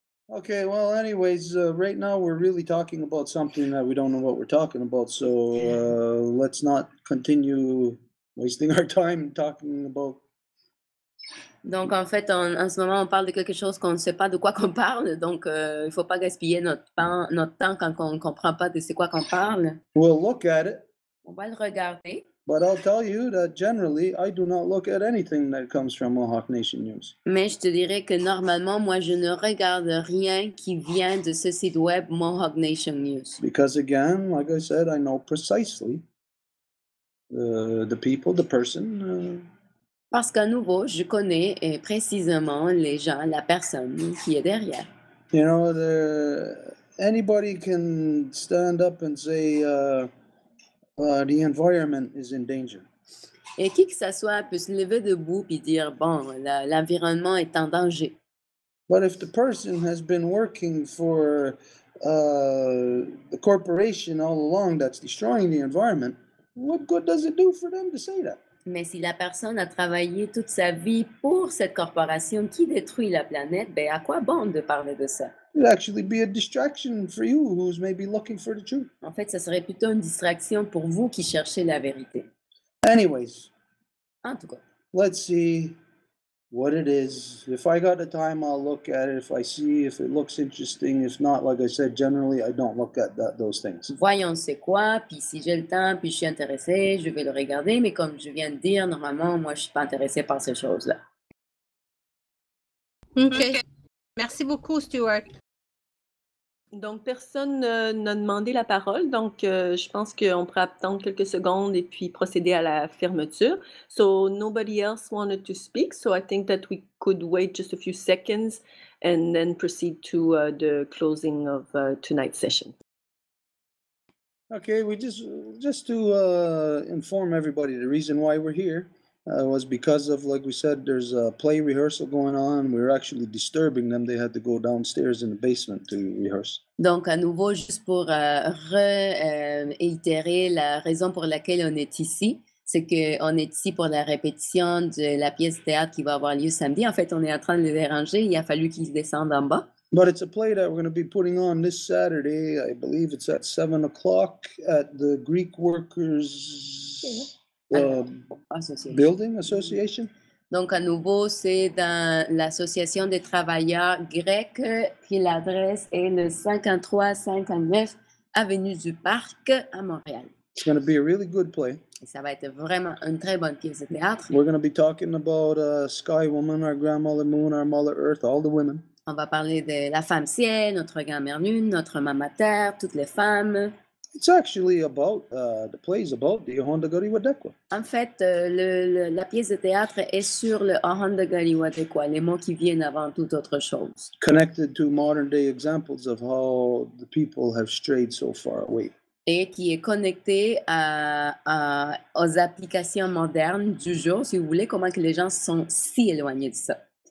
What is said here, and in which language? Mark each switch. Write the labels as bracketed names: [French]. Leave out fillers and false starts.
[English] Okay, well, anyways, right now we're really talking about something that we don't know what we're talking about, so let's not continue wasting our time talking about. [French] Donc, en fait, en ce moment, on parle de quelque chose qu'on ne sait pas de quoi qu'on parle, donc il ne faut pas gaspiller notre temps quand on ne comprend pas de c'est quoi qu'on parle. [English] We'll look at it. [French] On va le regarder. [English] But I'll tell you that generally, I do not look at anything that comes from Mohawk Nation News. [French] Mais je te dirais que normalement, moi, je ne regarde rien qui vient de ce site web Mohawk Nation News. [English] Because again, like I said, I know precisely the people, the person. [French] Parce qu'à nouveau, je connais précisément les gens, la personne qui est derrière. [English] You know, anybody can stand up and say... the environment is in danger. [French] Et qui que ça soit peut se lever debout puis dire bon, l'environnement est en danger. [English] But if the person has been working for the corporation all along that's destroying the environment, what good does it do for them to say that? [French] Mais si la personne a travaillé toute sa vie pour cette corporation qui détruit la planète, ben à quoi bon de parler de ça? [English] It'd actually be a distraction for you who's maybe looking for the truth. [French] En fait, ça serait plutôt une distraction pour vous qui cherchez la vérité. [English] Anyways. [French] En tout cas. [English] Let's see what it is. If I got the time, I'll look at it. If I see if it looks interesting. If not, like I said, generally, I don't look at those things. [French] Voyons c'est quoi, puis si j'ai le temps, puis je suis intéressé, je vais le regarder. Mais comme je viens de dire, normalement, moi, je suis pas intéressé par ces choses-là. OK. Merci beaucoup, Stuart. Donc, personne n'a demandé la parole. Donc, je pense qu'on pourra attendre quelques secondes et puis procéder à la fermeture. [English] So, nobody else wanted to speak. So, I think that we could wait just a few seconds and then proceed to the closing of tonight's session. Okay, we just to inform everybody, the reason why we're here was because of, like we said, there's a play rehearsal going on. We were actually disturbing them. They had to go downstairs in the basement to rehearse. [French] Donc, à nouveau, juste pour réitérer la raison pour laquelle on est ici, c'est qu'on est ici pour la répétition de la pièce théâtre qui va avoir lieu samedi. En fait, on est en train de les déranger. Il a fallu qu'ils descendent en bas. [English] But it's a play that we're going to be putting on this Saturday. I believe it's at 7 o'clock at the Greek Workers... Mm-hmm. Association. Building association. [French] Donc à nouveau, c'est dans l'association des travailleurs grecs qui l'adresse est le 5359 Avenue du Parc à Montréal. [English] It's going to be a really good play. [French] Et ça va être vraiment une très bonne pièce de théâtre. [English] We're going to be talking about Sky Woman, our grandmother Moon, our mother Earth, all the women. [French] On va parler de la femme ciel, notre grand-mère lune, notre maman terre, toutes les femmes. [English] It's actually about the play's about the Ohondagariwadekwa. [French] En fait, la pièce de théâtre est sur le Ohondagariwadekwa, les mots qui viennent avant toute autre chose. [English] Connected to modern day examples of how the people have strayed so far away. [French] Et qui est connecté aux applications modernes du jour, si vous voulez, comment que les gens sont si éloignés de ça.